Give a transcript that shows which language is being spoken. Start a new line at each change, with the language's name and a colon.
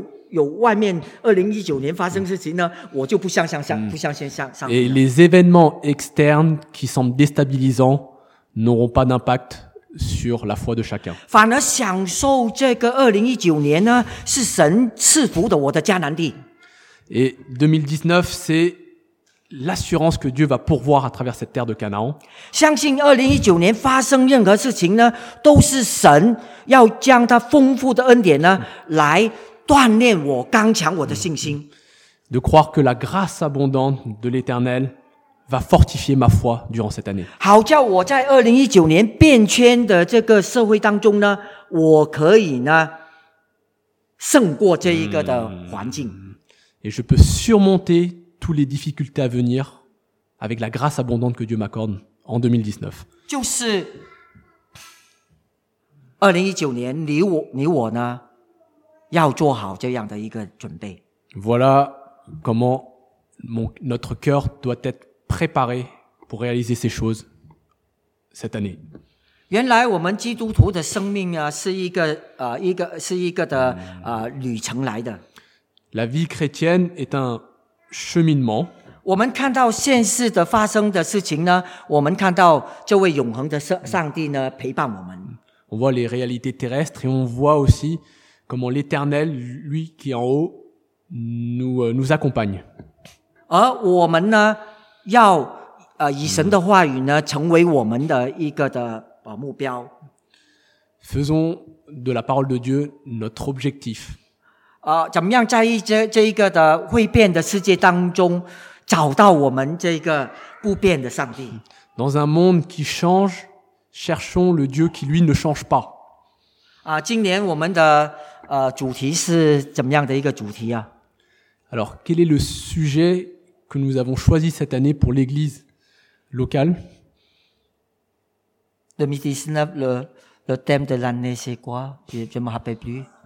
Chinese: 有外面2019年发生事情呢，我就不相信上。
French: Et les événements externes qui semblent déstabilisants n'auront pas d'impact sur la foi de chacun.
Chinese: 反而享受这个2019年呢，是神赐福的我的迦南地。
French: Et 2019, c'est l'assurance que Dieu va pourvoir à travers cette terre de Canaan.
Chinese: 相信2019年发生任何事情呢，都是神要将他丰富的恩典呢来锻炼我，刚强我的信心。
French: De croire que la grâce abondante de l'Éternel va fortifier ma foi durant cette année.
Chinese: 好叫我在2019年变迁的这个社会当中呢，我可以呢胜过这一个的环境。
French: Et je peux surmonter toutes les difficultés à venir avec la grâce abondante que Dieu m'accorde en 2019.
Chinese: 就是2019年，你我呢？要做好这样的一个准备。
French: Voilà comment notre cœur doit être préparé pour réaliser ces choses cette année.
Chinese: 原来我们基督徒的生命啊，是一个的旅程来的。
French: La vie chrétienne est un cheminement.
Chinese: 我们看到现世的发生的事情呢，我们看到这位永恒的上帝呢陪伴我们。
French: On voit les réalités terrestres et on voit aussi comment l'Éternel, lui qui est en haut, nous accompagne.
Chinese: 而我们呢，要以神的话语呢，成为我们的一个的目标。
French: Faisons de la parole de Dieu notre objectif.
Chinese: 怎么样在这一个的会变的世界当中，找到我们这个不变的上帝？
French: Dans un monde qui change, cherchons le Dieu qui lui ne change pas.
Chinese: 今年我们的主题是怎么样的一个主题啊？
French: Alors, quel est le sujet que nous avons choisi cette année pour l'église locale? 2019, le thème de l'année, c'est quoi? Je ne me rappelle plus.